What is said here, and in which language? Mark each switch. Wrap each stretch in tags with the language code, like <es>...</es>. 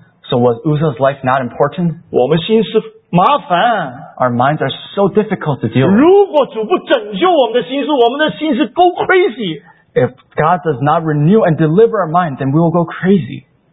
<en>so was Uzzah's life not important?</en> <zh>我们心思麻烦,</zh> <en>our minds are so difficult to deal with.</en> <zh>如果主不拯救我们的心思,</zh> <en>go crazy. If God does not renew and deliver our mind, then we will go crazy.</en>